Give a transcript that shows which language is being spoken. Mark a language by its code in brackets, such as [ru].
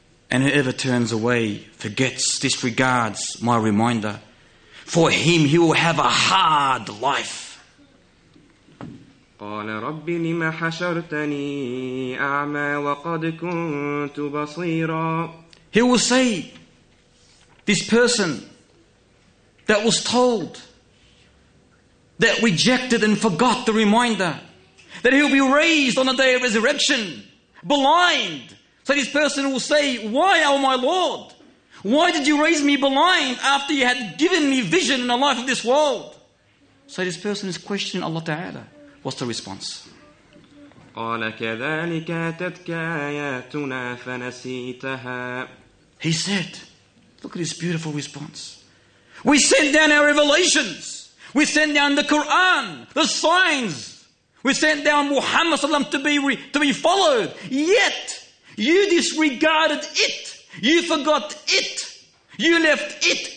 [en] And whoever turns away, forgets, disregards my reminder, for him he will have a hard life. [ar] قال ربي لما حشرتني أعمى وقد كنت بصيرا. [en] He will say, this person that was told, that rejected and forgot the reminder, that he will be raised on the day of resurrection, blind. So this person will say, why, O my Lord? Why did you raise me blind after you had given me vision in the life of this world? So this person is questioning Allah Ta'ala. What's the response? [ar] قال كذلك أتتك آياتنا فنسيتها. [en] He said, look at this beautiful response. We send down our revelations. We send down the Quran, the signs. We send down Muhammad SAW to be followed. Yet, you disregarded it. You forgot it. You left it.